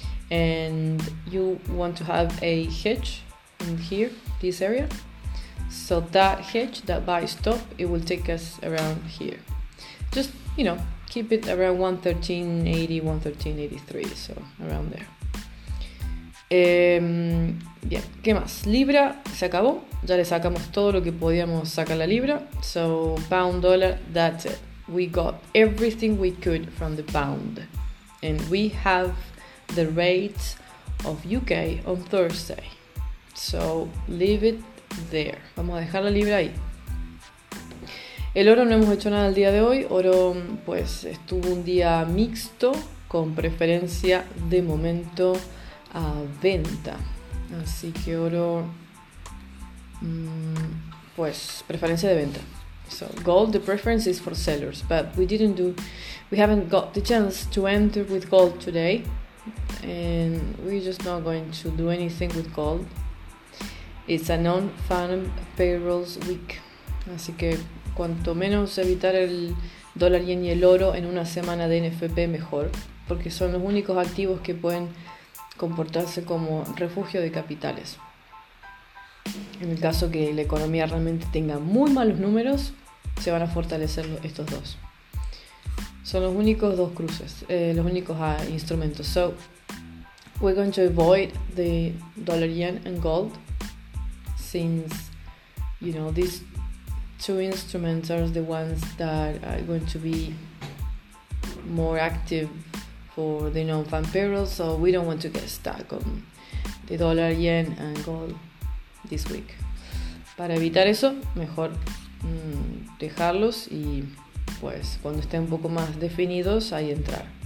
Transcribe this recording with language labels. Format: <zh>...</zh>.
<en>And you want to have a hedge in here, this area. So that hedge, that buy stop, it will take us around here. Just, you know, keep it around 1.1380, 1.1383, so around there.</en> <es>Bien, ¿qué más? Libra se acabó. Ya le sacamos todo lo que podíamos sacar la libra.</es> <en>So pound dollar, that's it. We got everything we could from the pound. And we have the rates of UK on Thursday. So leave it there.</en> <es>Vamos a dejar la libra ahí. El oro, no hemos hecho nada el día de hoy. Oro, pues, estuvo un día mixto con preferencia de momento a venta. Así que oro, pues, preferencia de venta.</es> <en>So, gold, the preference is for sellers. But we haven't got the chance to enter with gold today. And we're just not going to do anything with gold. It's a non-farm payrolls week.</en> <es>Así que cuanto menos evitar el dólar yen y el oro en una semana de NFP, mejor. Porque son los únicos activos que pueden comportarse como refugio de capitales. En el caso que la economía realmente tenga muy malos números, se van a fortalecer estos dos. Son los únicos dos cruces, los únicos instrumentos.</es> <en>So, we're going to avoid the dollar yen and gold. Since, you know, this two instruments are the ones that are going to be more active for the non-farm payroll, so we don't want to get stuck on the dollar, yen and gold this week.</en> <es>Para evitar eso, mejor dejarlos y pues cuando estén un poco más definidos, ahí entrar.</es>